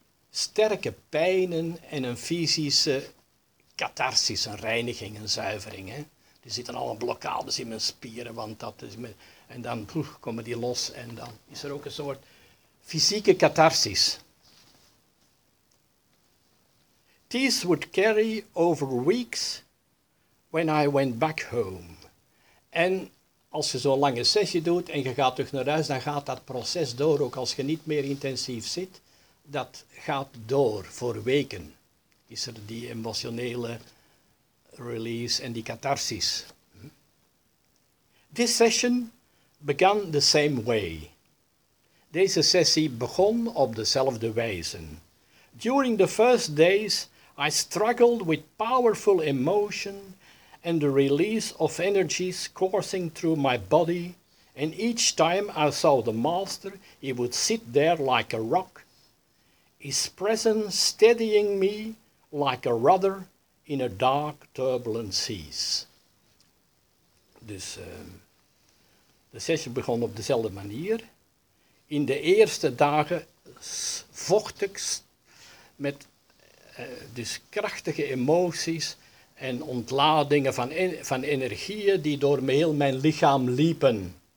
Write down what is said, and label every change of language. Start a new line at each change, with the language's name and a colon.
Dutch: Sterke pijnen en een fysische catharsis, een reiniging, een zuivering. Hè? Er zitten al een blokkades in mijn spieren, want dat is mijn, en dan komen die los en dan is er ook een soort fysieke catharsis.
English: This would carry over weeks when I went back home.
Dutch: En als je zo'n lange sessie doet en je gaat terug naar huis, dan gaat dat proces door, ook als je niet meer intensief zit. Dat gaat door voor weken. Is er die emotionele release en die catharsis.
English: This session began the same way.
Dutch: Deze sessie begon op dezelfde wijze.
English: During the first days, I struggled with powerful emotion and the release of energies coursing through my body, and each time I saw the master, he would sit there like a rock, his presence steadying me like a rudder in a dark, turbulent seas.
Dutch: Dus de sessie begon op dezelfde manier. In de eerste dagen vocht ik met dus krachtige emoties en ontladingen van energieën die door heel mijn lichaam liepen.